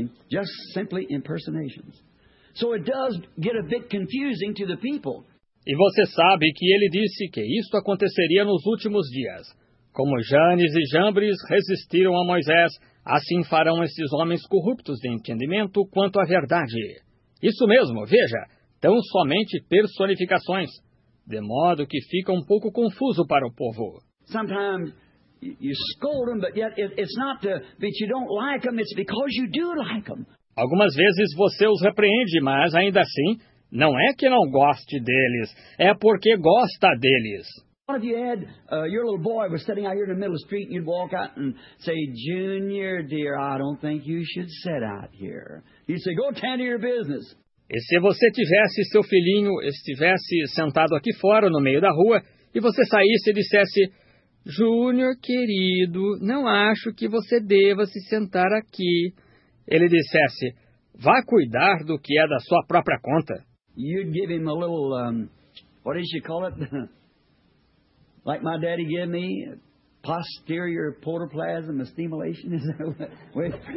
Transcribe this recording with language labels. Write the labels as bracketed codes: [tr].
[en] Just simply impersonations. So it does get a bit confusing to the people. [pt] E você sabe que ele disse que isto aconteceria nos últimos dias. Como Jannes e Jambres resistiram a Moisés, assim farão esses homens corruptos de entendimento quanto à verdade. Isso mesmo, veja, tão somente personificações, de modo que fica um pouco confuso para o povo. [en] Sometimes you scold them, but yet it's not that you don't like them, it's because you do like them. [pt] Algumas vezes você os repreende, mas ainda assim, não é que não goste deles, é porque gosta deles. [en] What if you had your little boy was sitting out here in the middle of the street and you'd walk out and say, Junior, dear, I don't think you should sit out here. He'd say, go tend to your business. [pt] E se você tivesse seu filhinho, estivesse sentado aqui fora no meio da rua, e você saísse e dissesse, Junior, querido, não acho que você deva se sentar aqui. Ele dissesse, vá cuidar do que é da sua própria conta. [en] You'd give him a little, what did you call it? Like my daddy gave me posterior portoplasm stimulation. Is that what?